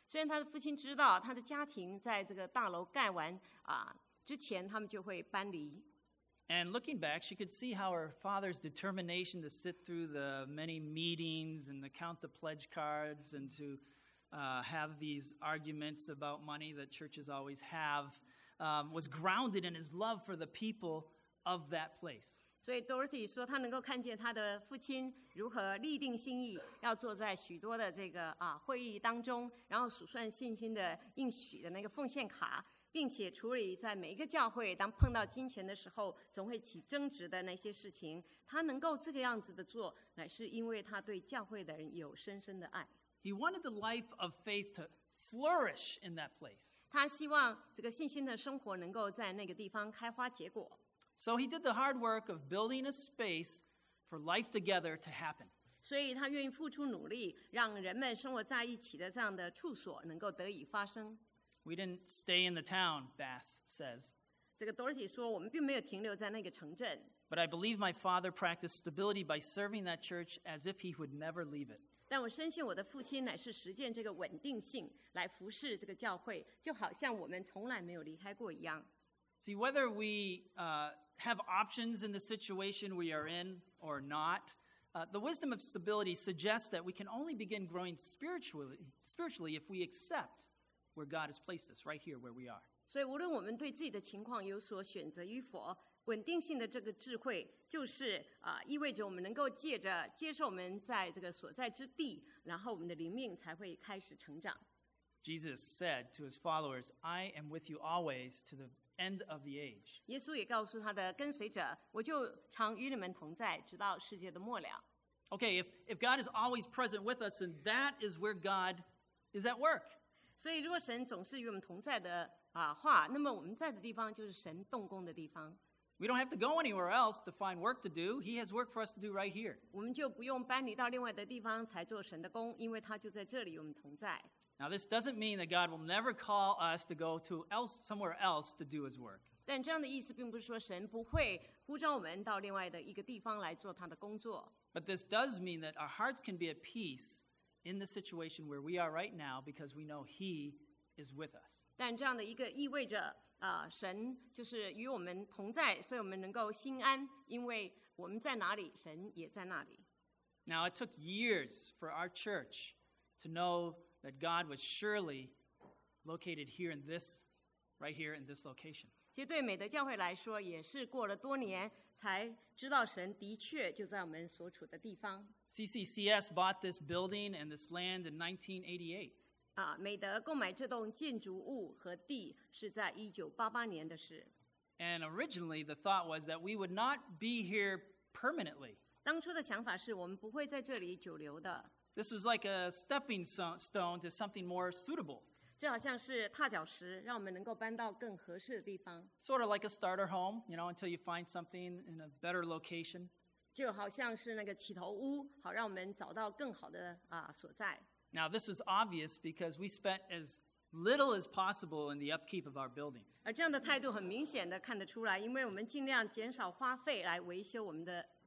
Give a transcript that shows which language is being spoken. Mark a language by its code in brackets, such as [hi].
[zh] 虽然他的父亲知道他的家庭在这个大楼盖完之前他们就会搬离。 [en] And looking back, she could see how her father's determination to sit through the many meetings and to count the pledge cards and to have these arguments about money that churches always have was grounded in his love for the people of that place. [zh] 所以 Dorothy 说她能够看见她的父亲如何立定心意要坐在许多的这个会议当中然后数算信心的应许的那个奉献卡。并且处理在每一个教会当碰到金钱的时候总会起争执的那些事情他能够这个样子的做乃是因为他对教会的人有深深的爱 [en] He wanted the life of faith to flourish in that place [zh] 他希望这个信心的生活能够在那个地方开花结果 [en] So he did the hard work of building a space for life together to happen [zh] 所以他愿意付出努力让人们生活在一起的这样的处所能够得以发生 [en] We didn't stay in the town, Bass says. [zh] 这个 Dorothy 说我们并没有停留在那个城镇。 [en] But I believe my father practiced stability by serving that church as if he would never leave it. [zh] 但我深信我的父亲乃是实践这个稳定性来服侍这个教会就好像我们从来没有离开过一样。 [en] See, whether we have options in the situation we are in or not, the wisdom of stability suggests that we can only begin growing spiritually if we accept where God has placed us, right here where we are. [zh] 所以无论我们对自己的情况有所选择与否，稳定性的这个智慧就是意味着我们能够借着接受我们在这个所在之地，然后我们的灵命才会开始成长。 [en] Jesus said to his followers, I am with you always to the end of the age. [zh] 耶稣也告诉他的跟随者，我就常与你们同在，直到世界的末了。 [en] Okay, if God is always present with us, then that is where God is at work. [zh] 所以如果神总是与我们同在的话那么我们在的地方就是神动工的地方。 [en] We don't have to go anywhere else to find work to do. He has work for us to do right here. [zh] 我们就不用搬离到另外的地方才做神的工因为他就在这里与我们同在。 [en] Now this doesn't mean that God will never call us to go to somewhere else to do his work. [zh] 但这样的意思并不是说神不会呼召我们到另外的一个地方来做他的工作。 [en] But this does mean that our hearts can be at peace in the situation where we are right now because we know he is with us. [zh] 但这样的一个意味着、神就是与我们同在，所以我们能够心安，因为我们在哪里，神也在那里。 [en] Now it took years for our church to know that God was surely located here in this, right here in this location. [zh] 其实对美德教会来说，也是过了多年才知道神的确就在我们所处的地方。 [en] CCCS bought this building and this land in 1988. [zh] 美德购买这栋建筑物和地是在1988年的事。 [en] And originally the thought was that we would not be here permanently. [zh] 当初的想法是我们不会在这里久留的。 [en] This was like a stepping stone to something more suitable. [zh] 这好像是踏脚石，让我们能够搬到更合适的地方。 [en] Sort of like a starter home, you know, until you find something in a better location. [zh] 就好像是那个起头屋，好让我们找到更好的所在。 [en] Now this was obvious because we spent as little as possible in the upkeep of our buildings. [zh] 而这样的态度很明显的看得出来，因为我们尽量减少花费来维修我们的